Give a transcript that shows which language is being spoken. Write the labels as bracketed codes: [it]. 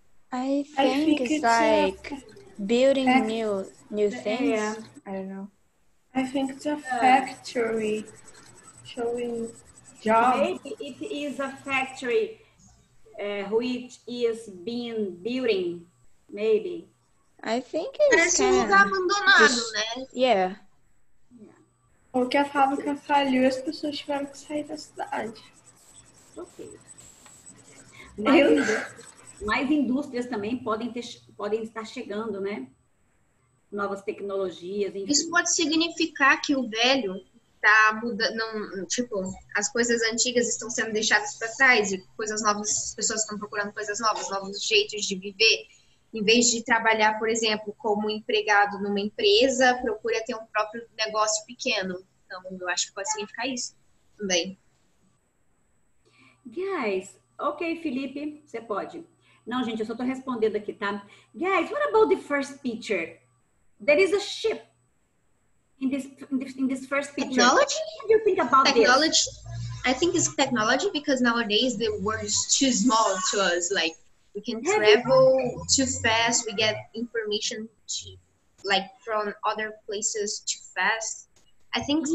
[en] I think it's like building new things. Yeah. I don't know. I think it's a factory showing jobs. Maybe it is a factory which is being building, maybe. I think it's kind of... [pt] abandonado, né? [en] Yeah. [pt] Ou que a fábrica falhou e as pessoas tiveram que sair da cidade. Ok. Mais indústrias também podem estar chegando, né? Novas tecnologias, enfim. Isso pode significar que o velho está mudando, tipo, as coisas antigas estão sendo deixadas para trás e coisas novas, as pessoas estão procurando coisas novas, novos jeitos de viver. Em vez de trabalhar, por exemplo, como empregado numa empresa, procura ter um próprio negócio pequeno. Então, eu acho que pode significar isso também. Guys, ok, Felipe, você pode. Não, gente, eu só tô respondendo aqui, tá? [en] Guys, what about the first picture? There is a ship in this first picture. Technology? What do you think about technology? This? I think it's technology because nowadays the world is too small to us, like, we can travel too fast. We get information to, like, from other places too fast. I think so.